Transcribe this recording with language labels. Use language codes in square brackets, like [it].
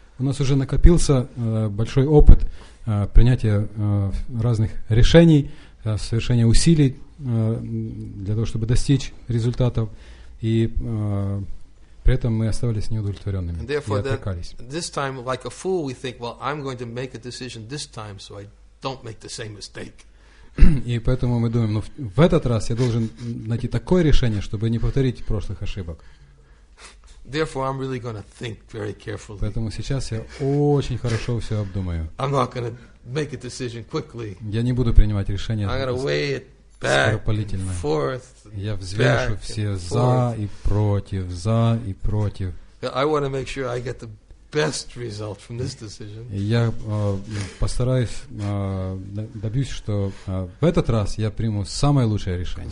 [ru] У нас уже накопился большой опыт принятия разных решений, совершения усилий для того, чтобы достичь результатов, и при этом мы оставались неудовлетворенными и отрекались. [en] This time, like a fool, we think, well, I'm going to make a decision this time, so I don't make the same mistake. [ru] И поэтому мы думаем, ну, в этот раз я должен найти такое решение, чтобы не повторить прошлых ошибок. [en] Therefore, I'm really going to think very carefully. [ru] Поэтому сейчас я очень хорошо все обдумаю. [en] I'm not going to make a decision quickly. [ru] Я не буду принимать решение. [en] I'm going to weigh it back and forth. [ru] Я взвешу все за и против, за и против. [en] I want to make sure I get the best result from this decision. [ru] Я постараюсь добьюсь, что в этот раз я приму самое лучшее решение.